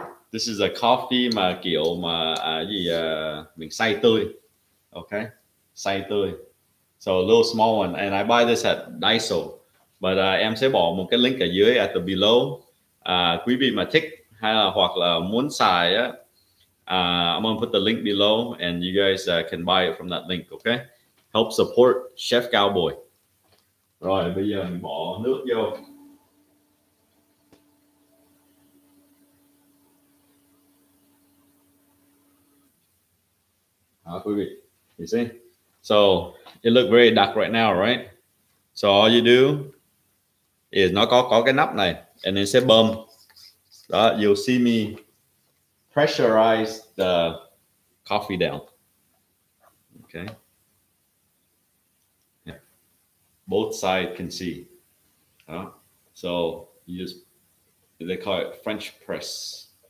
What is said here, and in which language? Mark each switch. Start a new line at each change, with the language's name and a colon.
English: This is a coffee
Vietnamese: mà kiểu mà gì mình xay tươi, okay, xay tươi.
English: So a little small one, and I buy this at Daiso. But
Vietnamese: em sẽ bỏ một cái link ở dưới
English: at the below.
Vietnamese: Quý vị mà thích hay là hoặc là muốn xài á,
English: I'm gonna put the link below, and you guys can buy it from that link, okay? Help support Chef Cowboy.
Vietnamese: Rồi bây giờ mình bỏ nước vô.
English: You see, so it looks very dark right now, right? So all you do is
Vietnamese: nó có cái nắp này,
English: and then
Vietnamese: sẽ bơm.
English: Đó, you'll see me pressurize the coffee down. Okay. Yeah. Both sides can see. So you just, they call it French press.